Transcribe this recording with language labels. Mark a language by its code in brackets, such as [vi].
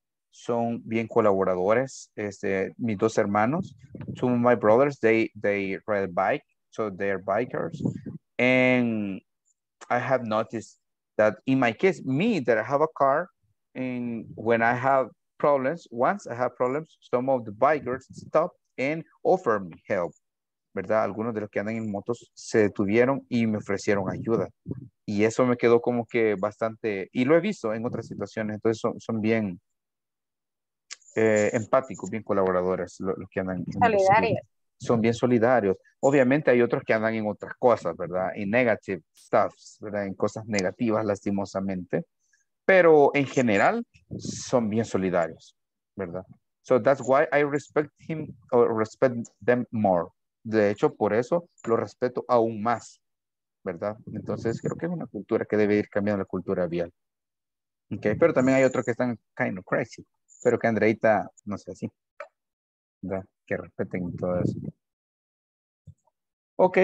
[es] Son bien colaboradores. Mis dos hermanos, [en] two of my brothers, they ride a bike, so they are bikers. And I have noticed that in my case, me, that I have a car, and when I have problems, once I have problems, some of the bikers stop and offer me help, ¿verdad? [es] Algunos de los que andan en motos se detuvieron y me ofrecieron ayuda. Y eso me quedó como que bastante, y lo he visto en otras situaciones, entonces son bien empáticos, bien colaboradores los que andan. Solidarios. Son bien solidarios. Obviamente hay otros que andan en otras cosas, ¿verdad? En [en] negative stuff, [es] ¿verdad? En cosas negativas, lastimosamente. Pero en general, son bien solidarios, ¿verdad? [en] So that's why I respect him or respect them more. [es] De hecho, por eso lo respeto aún más, ¿verdad? Entonces creo que es una cultura que debe ir cambiando, la cultura vial. Okay, pero también hay otros que están [en] kind of crazy. [es] Pero que Andreita, no sé, así, ¿verdad? Que respeten todo eso. Ok.